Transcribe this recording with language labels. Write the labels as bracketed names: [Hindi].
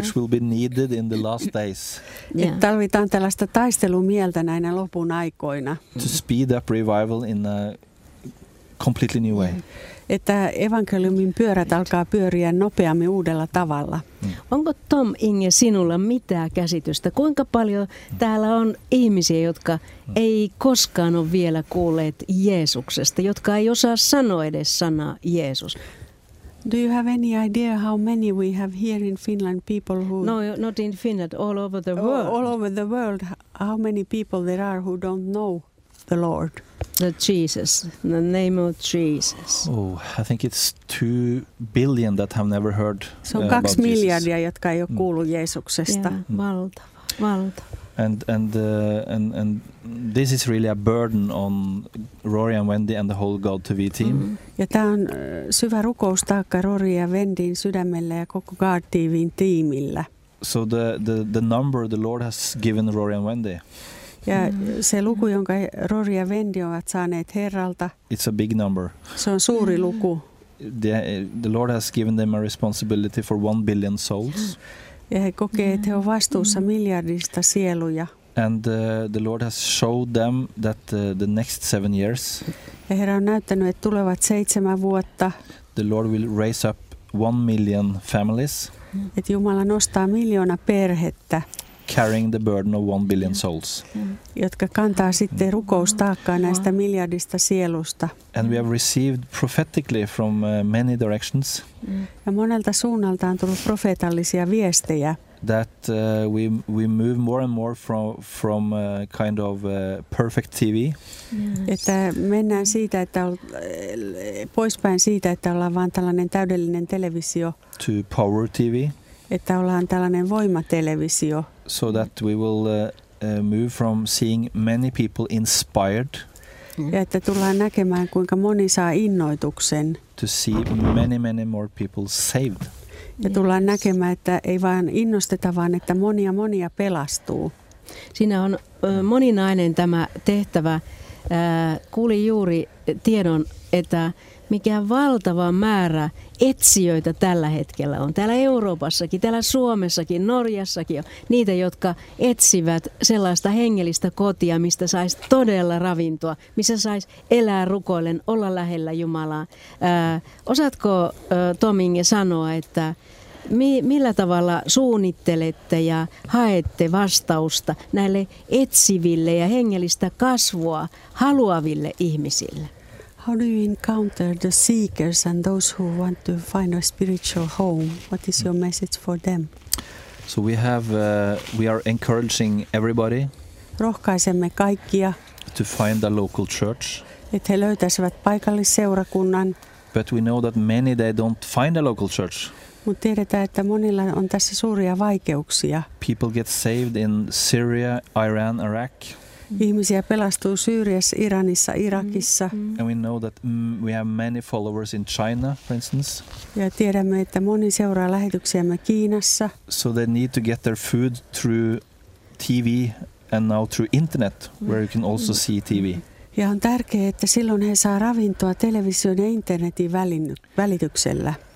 [English] Which will be needed in the last days. Yeah. [Finnish] Tarvitaan tällaista taistelumieltä näinä lopun aikoina. [English] To speed up revival in a completely new way. [Finnish] Että evankeliumin pyörät alkaa pyöriä nopeammin uudella tavalla. Onko Tom Inge sinulla mitään käsitystä? Kuinka paljon täällä on ihmisiä, jotka ei koskaan ole vielä kuulleet Jeesuksesta, jotka ei osaa sanoa edes sanaa Jeesus? [English] Do you have any idea how many we have here in Finland people who... No, not in Finland, all over the world. All over the world, how many people there are who don't know the Lord? The Jesus, the name of Jesus. Oh, I think it's 2 billion that have never heard about Jesus. [Finnish] Se on 2 miljardia, jotka ei ole kuullut Jeesuksesta. Yeah, valtava. [English] And this is really a burden on Rory and Wendy and the whole God TV team. Mm. [Finnish] Ja tämä on syvä rukoustaakka Rory ja Wendyn sydämellä ja koko God TV:n tiimillä. [English] So the number the Lord has given Rory and Wendy. [Finnish] Ja se luku, jonka Rory ja Wendy ovat saaneet Herralta. [English] It's a big number. [Finnish] Se on suuri luku. [English] The Lord has given them a responsibility for 1 billion souls. [Finnish] Ja he kokee, että he ovat vastuussa miljardista sieluja. [English] And the Lord has showed them that the next 7 years. [Finnish] Ja Herra on näyttänyt, että tulevat 7 vuotta. [English] The Lord will raise up 1 million families. [Finnish] Että Jumala nostaa 1 miljoona perhettä. [English] Carrying the burden of 1 billion souls. [Finnish] Jotka kantaa sitten rukoustaakkaa näistä miljardista sielusta. [English] And we have received prophetically from many directions. [Finnish] Ja monelta suunnalta on tullut profeetallisia viestejä. [English] That we move more and more from kind of perfect TV. Yes. [Finnish] Että mennään siitä, että poispäin siitä, että ollaan vaan tällainen täydellinen televisio. [English] To power TV. [Finnish] Että ollaan tällainen voimatelevisio. [English] So that we will move from seeing many people inspired. [Finnish] Ja että tullaan näkemään, kuinka moni saa innoituksen. [English] To see many, many more people saved. [Finnish] Ja tullaan näkemään, että ei vain innosteta, vaan että monia pelastuu. Siinä on moninainen tämä tehtävä. Kuulin juuri tiedon, että mikä valtava määrä etsijöitä tällä hetkellä on. Täällä Euroopassakin, täällä Suomessakin, Norjassakin on niitä, jotka etsivät sellaista hengellistä kotia, mistä saisi todella ravintoa, missä saisi elää rukoillen, olla lähellä Jumalaa. Osaatko Tominge sanoa, että millä tavalla suunnittelette ja haette vastausta näille etsiville ja hengellistä kasvua haluaville ihmisille? [English] How do you encounter the seekers and those who want to find a spiritual home? What is your message for them? So we have we are encouraging everybody. [Finnish] Rohkaisemme kaikkia. [English] To find a local church. [Finnish] Että he löytäisivät paikallisseurakunnan. [English] But we know that many they don't find a local church. [Finnish] Mutta tiedetään, että monilla on tässä suuria vaikeuksia. [English] People get saved in Syria, Iran, Iraq. [Finnish] Ihmisiä pelastuu Syyriassa, Iranissa, Irakissa. [English] And we know that we have many followers in China, for instance. [Finnish] Ja tiedämme, että moni seuraa lähetyksiämme Kiinassa. [English] So they need to get their food through TV and now through internet, where you can also see TV. [Finnish] Ja on tärkeää, että silloin he saa ravintoa television ja internetin välityksellä.